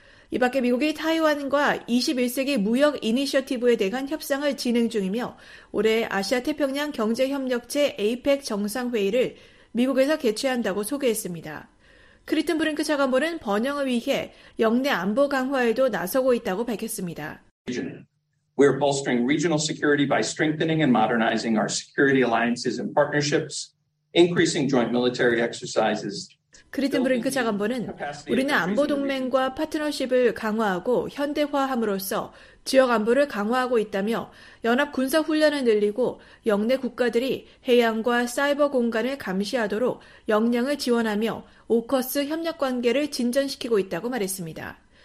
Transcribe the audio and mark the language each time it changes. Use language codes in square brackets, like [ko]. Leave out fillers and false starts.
[ko] 이 밖에 미국이 타이완과 21세기 무역 이니셔티브에 대한 협상을 진행 중이며 올해 아시아태평양 경제협력체 APEC 정상회의를 미국에서 개최한다고 소개했습니다. 크리튼브랭크 차관보는 번영을 위해 영내 안보 강화에도 나서고 있다고 밝혔습니다. [en] We are bolstering regional security by strengthening and modernizing our security alliances and partnerships, increasing joint military exercises. [ko] 그리튼 브링크 차관보는 우리는 안보 동맹과 파트너십을 강화하고 현대화함으로써 지역 안보를 강화하고 있다며 연합 군사 훈련을 늘리고 영내 국가들이 해양과 사이버 공간을 감시하도록 역량을 지원하며 오커스 협력 관계를 진전시키고 있다고 말했습니다.